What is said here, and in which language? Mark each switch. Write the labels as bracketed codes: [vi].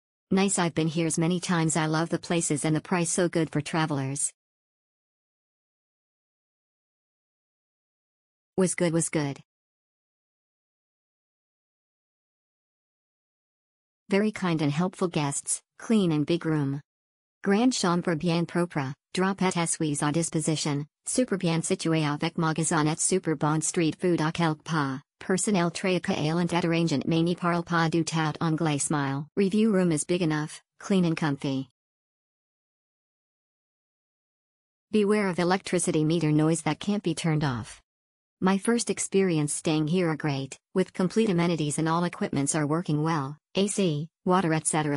[en] Nice, I've been here many times. I love the places and the price so good for travelers. Was good, was good. Very kind and helpful guests, clean and big room. [fr] Grand chambre bien propre, drop at suis à disposition, super bien situé avec magasin et super bon street food à quelque pas, personnel très accueillant et arrangeant mais ne parle pas du tout anglais smile. [en] Review room is big enough, clean and comfy. Beware of electricity meter noise that can't be turned off. My first experience staying here are great, with complete amenities and all equipments are working well, AC, water etc.